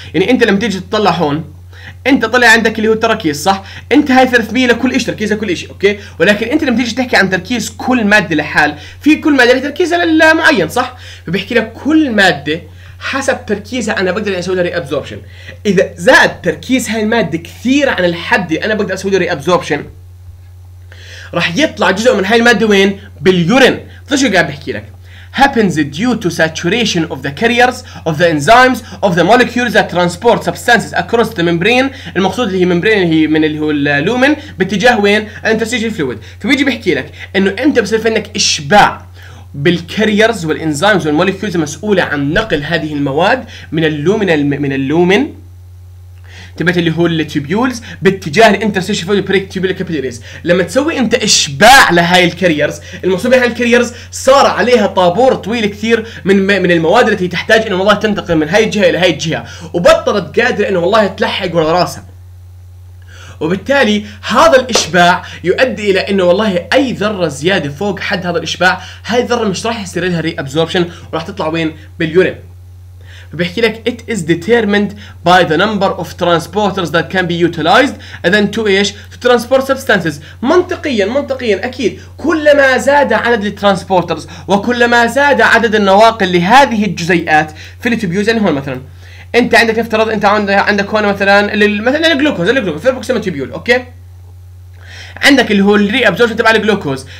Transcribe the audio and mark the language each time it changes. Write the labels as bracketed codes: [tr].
[ar] يعني انت لما تيجي تطلع هون انت طلع عندك اللي هو التراكيز، صح؟ انت هاي 300 لكل شيء، تركيزها كل شيء، اوكي؟ ولكن انت لما تيجي تحكي عن تركيز كل ماده لحال، في كل ماده لها تركيزها المعين، صح؟ فبيحكي لك كل ماده حسب تركيزها انا بقدر اسوي لها ري ابزوربشن. اذا زاد تركيز هاي الماده كثير عن الحد اللي انا بقدر اسوي لها ري ابزوربشن راح يطلع جزء من هاي الماده وين؟ باليورين. شو قاعد بحكي لك؟ [en] happens due to saturation of the carriers of the enzymes of the molecules that transport substances across the membrane. [ar] المقصود اللي هي ممبرين اللي هي من اللي هو اللومن باتجاه وين؟ الانترستيشن فلويد. فبيجي بحكي لك انه انت بصير في عندك اشباع بالكاريرز والانزيمز والموليكيولز المسؤوله عن نقل هذه المواد من اللومن تبعت اللي هو التيبيولز باتجاه الانترسيشن فوق البريك تيبيول كابيلاريز. لما تسوي انت اشباع لهاي الكاريرز المصوبة هاي الكاريرز صار عليها طابور طويل كثير من المواد التي تحتاج انه والله تنتقل من هاي الجهة الى هاي الجهة، وبطلت قادرة انه والله تلحق ورا راسها. وبالتالي هذا الاشباع يؤدي الى انه والله اي ذره زياده فوق حد هذا الاشباع هاي الذره مش راح يصير لها ري ابزوربشن وراح تطلع وين؟ باليورين. فبيحكي لك [en] it is determined by the number of transporters that can be utilized and then to [ar] ايش؟ [en] to transport substances. [ar] منطقيا اكيد كلما زاد عدد الترانسبورترز وكلما زاد عدد النواقل لهذه الجزيئات في التبيوز. يعني هون مثلا انت عندك افترض انت عندك هون مثلا مثلا الجلوكوز في البروكسيمال تيبيول، اوكي عندك اللي هو الري ابزوربشن تبع الجلوكوز.